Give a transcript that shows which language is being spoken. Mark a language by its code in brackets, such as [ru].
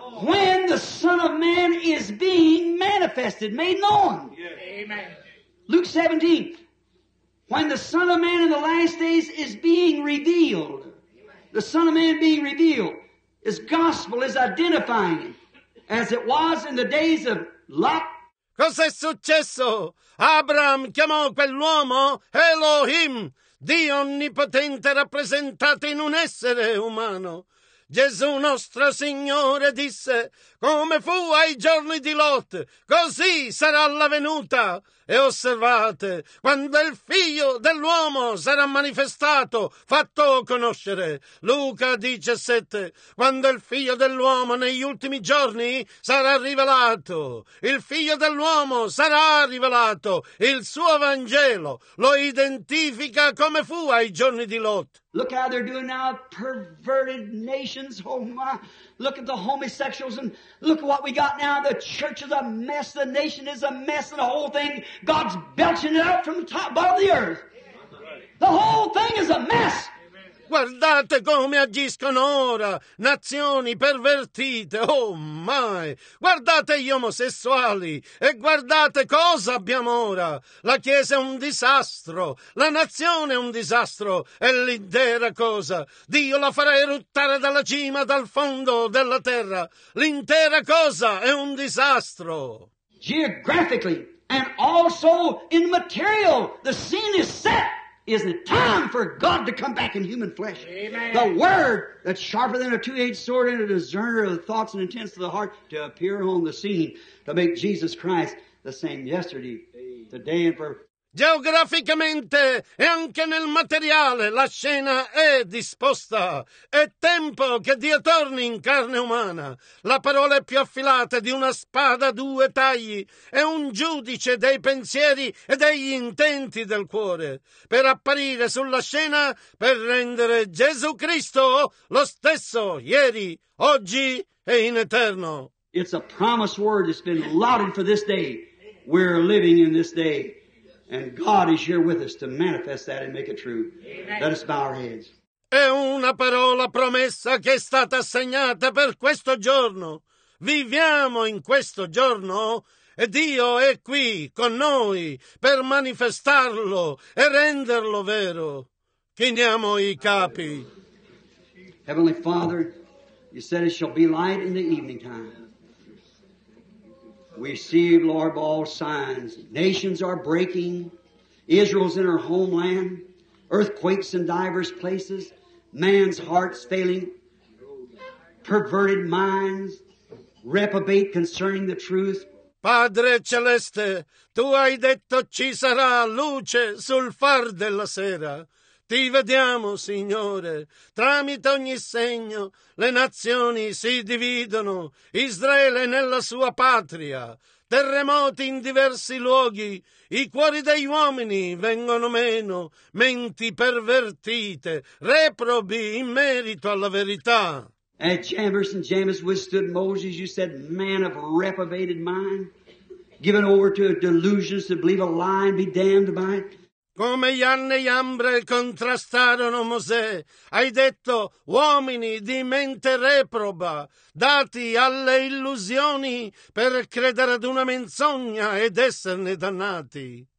[en] When the Son of Man is being manifested, made known. Yes. Amen. Luke 17. When the Son of Man in the last days is being revealed, the Son of Man being revealed, His gospel is identifying Him as it was in the days of Lot. [it] Cosa è successo? Abraham chiamò quell'uomo Elohim, Dio onnipotente rappresentato in un essere umano. Gesù nostro Signore disse, come fu ai giorni di Lot, così sarà la venuta. E osservate, quando il figlio dell'uomo sarà manifestato, fatto conoscere. Luca 17, quando il figlio dell'uomo negli ultimi giorni sarà rivelato. Il figlio dell'uomo sarà rivelato. Il suo Vangelo lo identifica come fu ai giorni di Lot. [en] Look how they're doing now, perverted nations, oh my. Look at the homosexuals and look at what we got now. The church is a mess, the nation is a mess, and the whole thing, God's belching it out from the top bottom of the earth. The whole thing is a mess. [it] Guardate come agiscono ora nazioni pervertite, [en] oh my! [it] Guardate gli omosessuali e guardate cosa abbiamo ora. La Chiesa è un disastro, la nazione è un disastro e l'intera cosa. Dio la farà eruttare dalla cima, dal fondo della terra. L'intera cosa è un disastro. [en] Geographically and also in material, the scene is set. Isn't it time for God to come back in human flesh? Amen. The Word that's sharper than a two-edged sword and a discerner of the thoughts and intents of the heart to appear on the scene to make Jesus Christ the same yesterday, today, and forever. [it] Geograficamente e anche nel materiale la scena è disposta. È tempo che Dio torni in carne umana. La parola è più affilata di una spada a due tagli. È un giudice dei pensieri e degli intenti del cuore per apparire sulla scena per rendere Gesù Cristo lo stesso ieri, oggi e in eterno. [en] It's a promised word that's been lauded for this day. We're living in this day. And God is here with us to manifest that and make it true. Amen. Let us bow our heads. [it] È una parola promessa che è stata assegnata per questo giorno. Viviamo in questo giorno e Dio è qui con noi per manifestarlo e renderlo vero. Chiniamo i capi. [en] Heavenly Father, you said it shall be light in the evening time. We see, Lord, by all signs. Nations are breaking. Israel's in her homeland. Earthquakes in diverse places. Man's heart's failing. Perverted minds. Reprobate concerning the truth. [it] Padre Celeste, tu hai detto ci sarà luce sul far della sera. Ti vediamo, Signore, tramite ogni segno le nazioni si dividono, Israele nella sua patria, terremoti in diversi luoghi, i cuori degli uomini vengono meno, menti pervertite, reprobi in merito alla verità. [en] At Chambers and James withstood Moses, you said, man of reprobated mind, given over to delusions to believe a lie and be damned by it. [it] Come Ianne e Iambre contrastarono Mosè, hai detto uomini di mente reproba, dati alle illusioni per credere ad una menzogna ed esserne dannati.